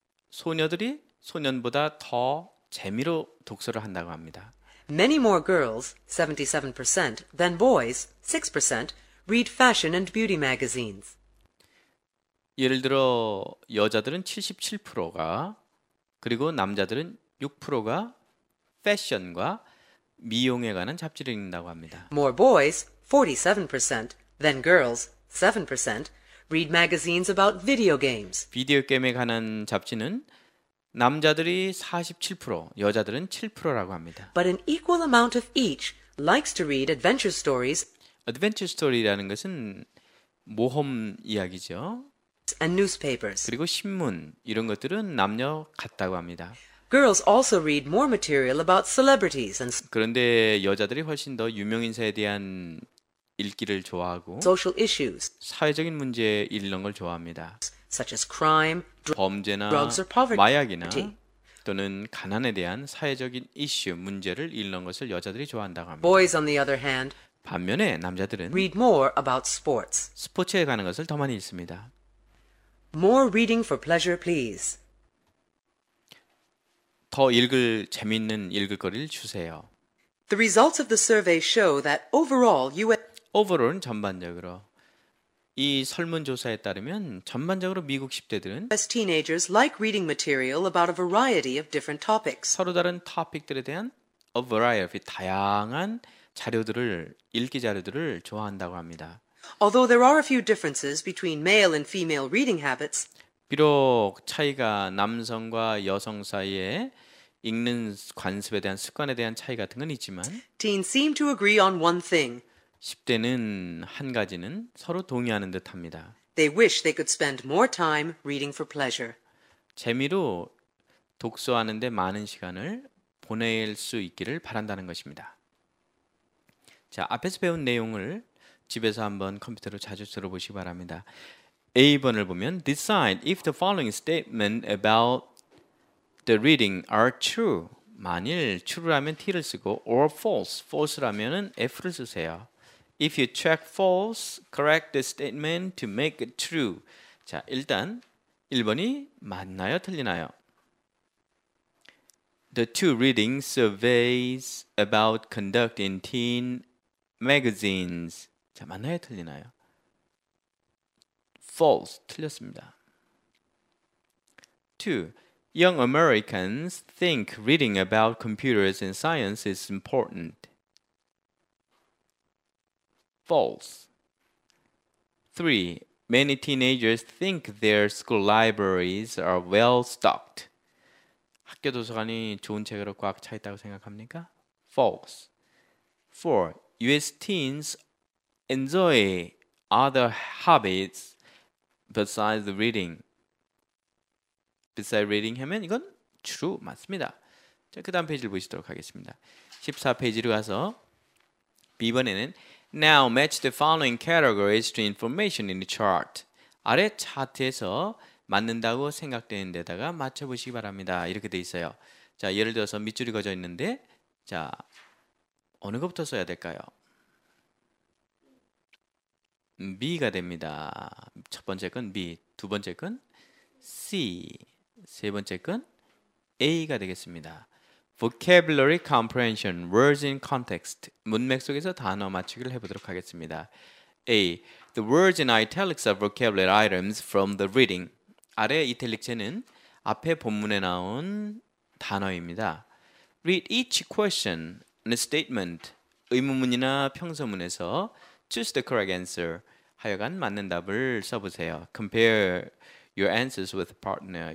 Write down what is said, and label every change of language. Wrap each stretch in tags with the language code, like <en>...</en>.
<ko>소녀들이 소년보다 더 재미로 독서를 한다고 합니다.</ko> <en>Many more girls, 77%, than boys, 6%, read fashion and beauty magazines.</en> <ko>예를 들어 여자들은 77%가 그리고 남자들은 6%가 패션과 미용에 관한 잡지를 읽는다고 합니다.</ko> <en>More boys, 47%, than girls, 7%, read magazines about video games.</en> <ko>비디오 게임에 관한 잡지는 남자들이 47%, 여자들은 7%라고 합니다.</ko> <en>But an equal amount of each likes to read adventure stories.</en> <ko>Adventure story라는 것은 모험 이야기죠.</ko> <en>And newspapers.</en> <ko>그리고 신문 이런 것들은 남녀 같다고 합니다.</ko> <en>Girls also read more material about celebrities and</en> <ko>그런데 여자들이 훨씬 더 유명 인사에 대한 읽기를 좋아하고</ko> <en>social issues</en> <ko>사회적인 문제 읽는 걸 좋아합니다.</ko> <en>Such as crime,</en> <ko>범죄나</ko> <en>drugs or poverty.</en> <ko>마약이나 또는 가난에 대한 사회적인 이슈 문제를 읽는 것을 여자들이 좋아한다고 합니다.</ko> <en>Boys on the other hand</en> <ko>반면에 남자들은</ko> <en>read more about sports</en> <ko>스포츠에 관한 것을 더 많이 읽습니다.</ko> <en>More reading for pleasure, please.</en> <ko>더 읽을 재미있는 읽을 거리를 주세요.</ko> <en>The results of the survey show that overall U.S.</en> <ko>overall은 전반적으로 이 설문조사에 따르면 전반적으로 미국 10대들은</ko> <en>U.S. teenagers like reading material about a variety of different topics.</en> <ko>서로 다른 topic들에 대한 a variety, 다양한 자료들을 읽기 자료들을 좋아한다고 합니다.</ko> <en>Although there are a few differences between male and female reading habits,</en> <ko>비록 차이가 남성과 여성 사이에 읽는 관습에 대한 습관에 대한 차이 같은 건 있지만,</ko> <en>teens seem to agree on one thing.</en> <ko>10대는 한 가지는 서로 동의하는 듯합니다.</ko> <en>They wish they could spend more time reading for pleasure.</en> <ko>재미로 독서하는 데 많은 시간을 보낼 수 있기를 바란다는 것입니다. 자, 앞에서 배운 내용을 집에서 한번 컴퓨터로 자주 들어보시기 바랍니다. A번을 보면</ko> <en>Decide if the following statement about the reading are true.</en> <ko>만일 true라면 T를 쓰고</ko> <en>or false,</en> <ko>false라면 F를 쓰세요.</ko> <en>If you check false, correct the statement to make it true.</en> <ko>자, 일단 1번이 맞나요, 틀리나요?</ko> <en>The two reading surveys about conduct in teen magazines.</en> <ko>자, 맞나요? 틀리나요? False. 틀렸습니다.</ko> <en>2. Young Americans think reading about computers and science is important. False. 3. Many teenagers think their school libraries are well stocked.</en> <ko>학교 도서관이 좋은 책으로 꽉 차 있다고 생각합니까?</ko> <en>False. 4. US teens enjoy other hobbies besides reading. Besides reading</en> <ko>하면 이건 true, 맞습니다. 자, 그 다음 페이지를 보시도록 하겠습니다. 14페이지로 가서 B번에는</ko> <en>Now match the following categories to information in the chart.</en> <ko>아래 차트에서 맞는다고 생각되는 데다가 맞춰보시기 바랍니다. 이렇게 돼 있어요. 자, 예를 들어서 밑줄이 그어져 있는데, 자, 어느 것부터 써야 될까요? B가 됩니다. 첫 번째 건 B, 두 번째 건 C, 세 번째 건 A가 되겠습니다.</ko> <en>Vocabulary comprehension, words in context.</en> <ko>문맥 속에서 단어 맞추기를 해보도록 하겠습니다.</ko> <en>A, the words in italics are vocabulary items from the reading.</en> <ko>아래 이탈릭체는 앞에 본문에 나온 단어입니다.</ko> <en>Read each question in a statement.</en> <ko>의문문이나 평서문에서</ko> <en>choose the correct answer.</en> <ko>하여간 맞는 답을 써보세요.</ko> <en>Compare your answers with partner.</en>